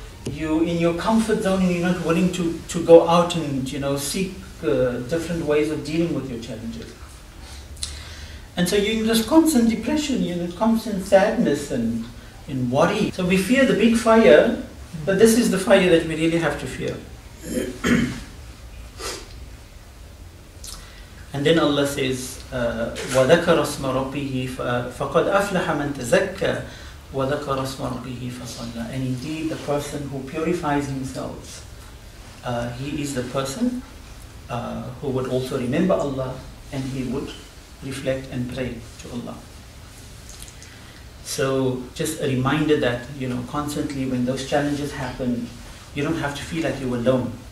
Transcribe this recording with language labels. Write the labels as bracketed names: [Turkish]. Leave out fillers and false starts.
[English] You're in your comfort zone and you're not willing to go out and, you know, seek different ways of dealing with your challenges. And so you're in this constant depression, you're in this constant sadness and worry. So we fear the big fire, but this is the fire that we really have to fear. And then Allah says, [Arabic] وَذَكَرَ اسْمَ رَبِّهِ فَقَدْ أَفْلَحَ مَنْ تَزَكَّى وَذَكَرَ اسْمَ رَبِّهِ فَصَلَّى. [English] And indeed the person who purifies himself, he is the person who would also remember Allah and he would reflect and pray to Allah. So just a reminder that, you know, constantly when those challenges happen, you don't have to feel like you're alone.